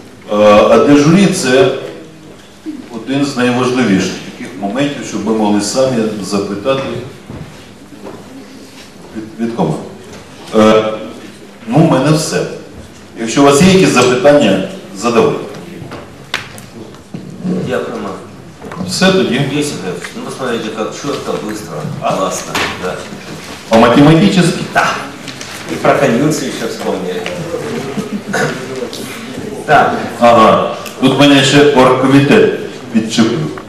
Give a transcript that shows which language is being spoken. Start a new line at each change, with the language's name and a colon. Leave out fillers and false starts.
Ukrainian: А для журі це один з найважливіших таких моментів, щоб ми могли самі запитати від команди. Ну, в мене все. Якщо у вас є якісь запитання, задавайте. Дякую. Все тоді. 10.
Russian: Ну, посмотрите, как чётко, быстро, классно, да. А математически? Да. И про конюнкцию ещё вспомнили.
Ukrainian: Так. Ага. Тут мене ще оргкомітет відчеплю.